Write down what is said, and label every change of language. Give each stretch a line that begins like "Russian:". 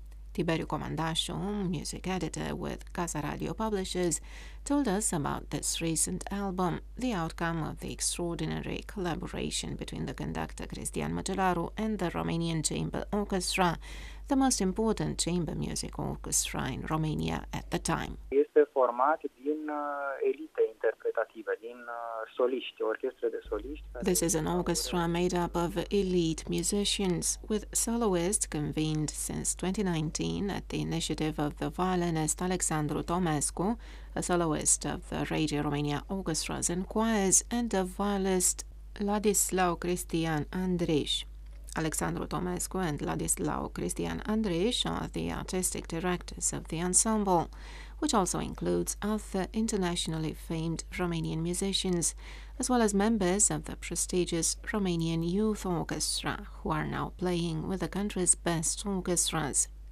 English: Tiberiu Comandașu, music editor with Casa Radio Publishers, told us about this recent album, the outcome of the extraordinary collaboration between the conductor Cristian Măcelaru and the Romanian Chamber Orchestra, the most important chamber music orchestra in Romania at the time.
Romanian: Este format din elite interpretative, din soliști, orchestre de soliști.
English: This is an orchestra made up of elite musicians, with soloists convened since 2019 at the initiative of the violinist Alexandru Tomescu, a soloist of the Radio Romania Orchestras and Choirs, and a violist Ladislau Cristian Andriș. Alexandru Tomescu and Ladislau Cristian Andriș are the artistic directors of the ensemble, which also includes other internationally famed Romanian musicians, as well as members of the prestigious Romanian Youth Orchestra, who are now playing with the country's best orchestras.